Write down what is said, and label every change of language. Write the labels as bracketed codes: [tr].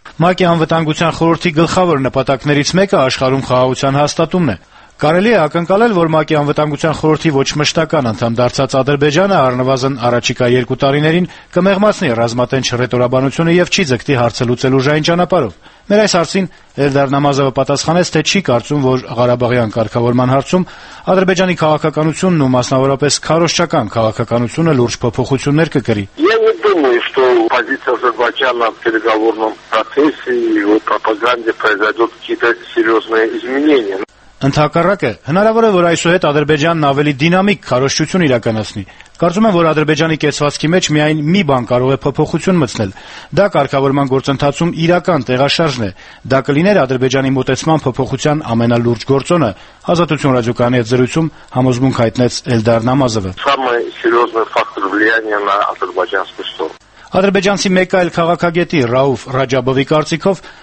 [hy] ՄԱԿ-ի անվտանգության խորհրդի գլխավոր նպատակներից մեկը աշխարհում խաղաղության հաստատումն է։ Կարելի է ակնկալել, որ ՄԱԿ-ի անվտանգության խորհրդի ոչ մշտական անդամ դարձած Ադրբեջանը առնվազն առաջիկա 2 տարիներին կմեղմացնի ռազմատենչ ռետորաբանությունը եւ չի ձգտի հարցը լուծել ուժային ճանապարհով։ Մեր այս հարցին Էլդար Նամազովը պատասխանեց, թե չի կարծում, որ Ղարաբաղյան կարգավորման հարցում Ադրբեջանի քաղաքականությունն ու մասնավորապես քարոշչական քաղաքականությունը լուրջ փոփոխություններ կգրի։ [ru] Позиция Азербайджана в переговорном процессе и в пропаганде произойдут какие-то серьезные изменения. [hy] Ընդհակառակը, հնարավոր է, որ այսուհետ Ադրբեջանն ավելի դինամիկ քարոշչություն իրականացնի։ Կարծում եմ, որ Ադրբեջանի կեցվածքի մեջ միայն մի բան կարող է փոփոխություն մտցնել։ Դա կարգավորման գործընթացում իրական տեղաշարժն է։ Դա կլիներ Ադրբեջանի մտածման փոփոխության ամենալուրջ գործոնը։ Ազատություն ռադիոկայանի հետ զրույցում համոզմունք հայտնեց Էլդար Նամազովը։ Ադրբեջանցի մեկ այլ քաղաքագետի Ռաուֆ Ռաջաբովի կարծիքով